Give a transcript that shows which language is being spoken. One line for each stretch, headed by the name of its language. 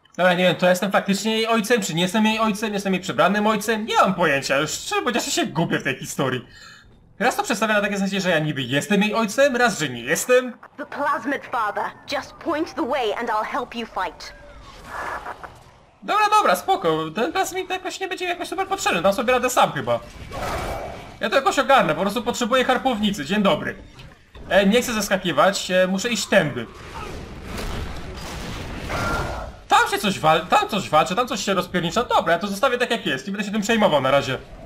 Polish: Dobra, nie wiem, to jestem faktycznie jej ojcem, czy nie jestem jej ojcem, jestem jej przybranym ojcem? Nie mam pojęcia, już szczerze, bo ja się gubię w tej historii. Raz to przedstawia na takie zasadzie, że ja niby jestem jej ojcem, raz, że nie jestem.
English: The plasmid, father. Just point the way and I'll help you fight.
Polish: Dobra, dobra, spoko. Ten plasmid jakoś nie będzie jakoś super potrzebny. Dam sobie radę sam chyba. Ja to jakoś ogarnę, po prostu potrzebuję harpownicy. Dzień dobry. Nie chcę zaskakiwać, muszę iść tędy. Tam się coś walczy, tam coś się rozpiernicza. Dobra, ja to zostawię tak jak jest. Nie będę się tym przejmował na razie.